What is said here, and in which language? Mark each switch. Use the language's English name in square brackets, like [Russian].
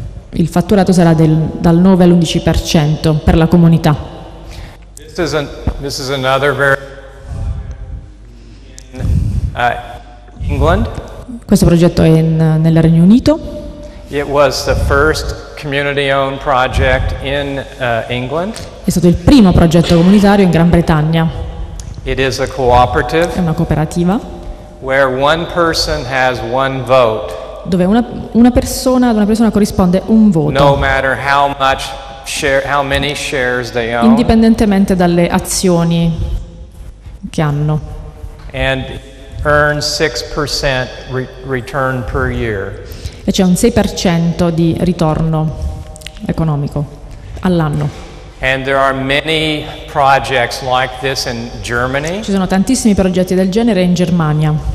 [Italian] Il fatturato sarà dal 9-11% per la comunità. [English] This is another very England. [Italian] Questo progetto è nel Regno Unito. [English] It was the first community-owned project in England. [Italian] È stato il primo progetto comunitario in Gran Bretagna. [English] It is a cooperative. [Italian] È una cooperativa. [English] Where one person has one vote. [Italian] Dove una persona corrisponde un voto. [English] No matter how much share, how many shares they own. [Italian] Indipendentemente dalle azioni che hanno. [English] And earn 6% return per year. [Italian] E c'è un 6% di ritorno economico all'anno. [English] And there are many projects like this in Germany. [Italian] Ci sono tantissimi progetti del genere in Germania.